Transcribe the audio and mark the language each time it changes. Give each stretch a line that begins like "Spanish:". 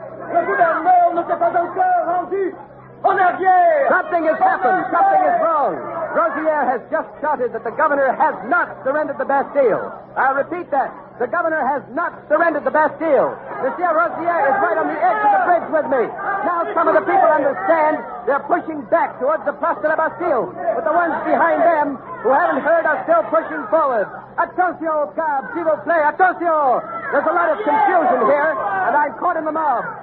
French: Le gouverneur n'était pas encore rendu. En arrière!
English: Something has happened. Something is wrong. Rozier has just shouted that the governor has not surrendered the Bastille. I'll repeat that. The governor has not surrendered the Bastille. Monsieur Rozier is right on the edge of the bridge with me. Now some of the people understand. They're pushing back towards the Place de la Bastille. But the ones behind them who haven't heard are still pushing forward.
French: Attention, cab, s'il vous plaît, attention!
English: There's a lot of confusion here, and I'm caught in the mob.